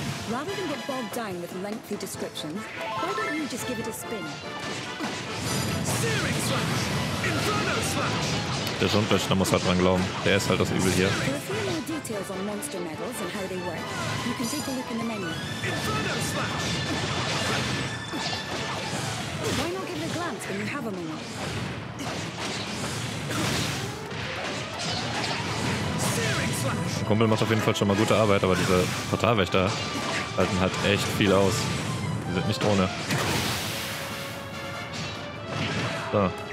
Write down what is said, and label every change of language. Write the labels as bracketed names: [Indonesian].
[English] Rather than get bogged down with lengthy descriptions, why don't you just give it a spin? Searing Slash! Inferno Slash! [German] Der Schundwäschner muss halt dran glauben. Der ist halt das Übel hier. [English] For a few more details on monster medals and how they work, you can take a look in the menu. Inferno Slash! Why not give it a glance when you have a moment? [German] Der Kumpel macht auf jeden Fall schon mal gute Arbeit, aber diese Portalwächter halten halt echt viel aus. Die sind nicht ohne. So.